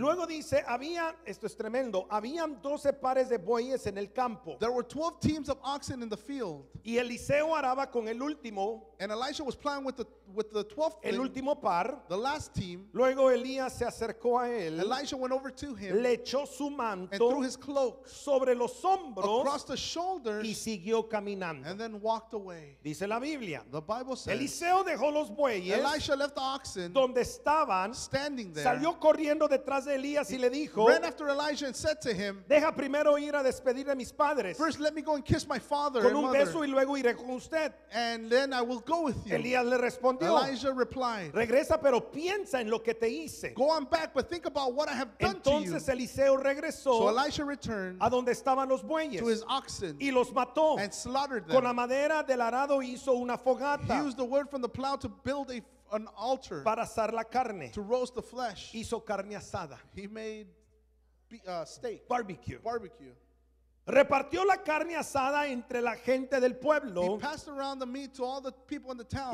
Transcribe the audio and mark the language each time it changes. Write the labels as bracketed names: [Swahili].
[Spanish] Luego dice, había, esto es tremendo, habían 12 pares de bueyes en el campo. [English] There were 12 teams of oxen in the field. [Spanish] Y Eliseo araba con el último. [English] And Elisha was plowing with the 12th [Spanish] el último par. [English] The last team. [Spanish] Luego Elías se acercó a él. [English] Elisha went over to him. [Spanish] Le echó su manto. [English] And threw his cloak [Spanish] sobre los hombros. [English] Across the shoulders. [Spanish] Y siguió caminando. [English] And then walked away. [Spanish] Dice la Biblia. [English] The Bible says. [Spanish] Eliseo dejó los bueyes. [English] Elisha left the oxen. [Spanish] Donde estaban. [English] Standing there. [Spanish] Salió corriendo detrás de Elías y le dijo. [English] Ran after Elijah and said to him. [Spanish] Deja primero ir a despedir de mis padres. [English] First let me go and kiss my father [Spanish] con un beso y luego iré con usted. [English] And then I will go with you. [Spanish] Elías le respondió. [English] Elijah replied. [Spanish] Regresa pero piensa en lo que te hice. [English] Go on back but think about what I have done. [Spanish] Entonces [English] to you. [Spanish] Eliseo regresó. [English] So Elisha returned. [Spanish] A donde estaban los bueyes. [English] To his oxen. [Spanish] Y los mató. [English] And slaughtered them. [Spanish] Con la madera del arado hizo una fogata. [English] He used the wood from the plow to build an altar. [Spanish] Para asar la carne. [English] To roast the flesh. [Spanish] Hizo carne asada. [English] He made steak. Barbecue. Barbecue. [Spanish] Repartió la carne asada entre la gente del pueblo. [English] He passed around the meat to all the people in the town.